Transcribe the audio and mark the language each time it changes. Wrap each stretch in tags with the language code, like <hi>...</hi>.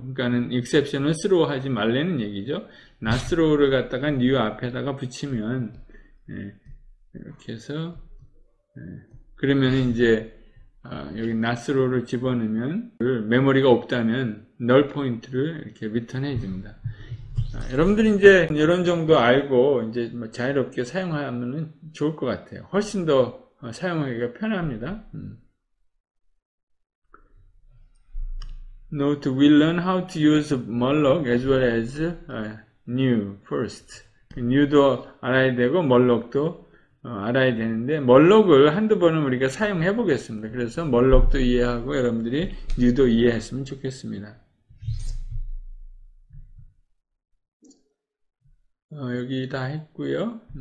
<ko>그러니까는 exception을 throw 하지 말라는 얘기죠. not throw를 갖다가 new 앞에다가 붙이면, 이렇게 해서, 그러면 이제, 여기 not throw를 집어넣으면, 메모리가 없다면 null 포인트를 이렇게 return해 줍니다. 여러분들이 이제 이런 정도 알고 이제 뭐 자유롭게 사용하면 좋을 것 같아요. 훨씬 더 사용하기가 편합니다.</ko> <en>Note, we learn how to use malloc as well as new first.</en> <ko>new도 알아야 되고, malloc도 알아야 되는데, 머럭을 한두 번은 우리가 사용해 보겠습니다. 그래서 머럭도 이해하고 여러분들이 뉴도 이해했으면 좋겠습니다. 여기 다 했고요.</ko>